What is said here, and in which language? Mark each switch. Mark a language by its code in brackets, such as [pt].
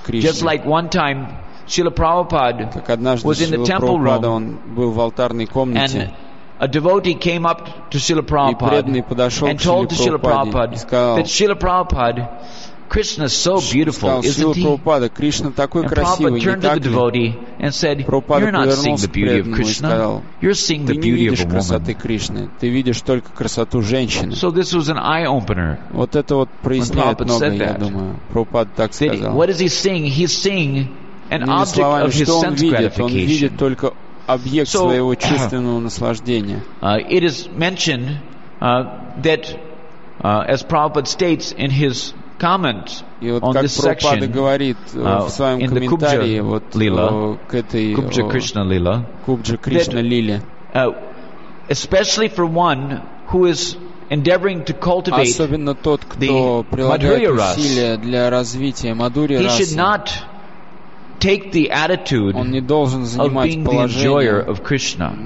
[en] Just like one time Srila Prabhupada was in the temple room and a devotee came up to Srila Prabhupada and told to Srila Prabhupada that Srila Prabhupada, Krishna is so beautiful, isn't he? And Prabhupada turned to the devotee and said, you're not seeing the beauty of Krishna. You're seeing the beauty of a woman. Krishna. [ru] Ты видишь только красоту женщины. [en] So this was an eye-opener. [ru] Вот это вот проясняет многое, я думаю. Прабхупада так сказал. [en] What is he seeing? He's seeing an object of his sense gratification. [ru] Он видит только объект своего чувственного наслаждения. [en] It is mentioned that, as Prabhupada states in his comment on this section in the Kubja Krishna Lila, especially for one who is endeavoring to cultivate the Madhurya Ras, he should not take the attitude of being the enjoyer of Krishna.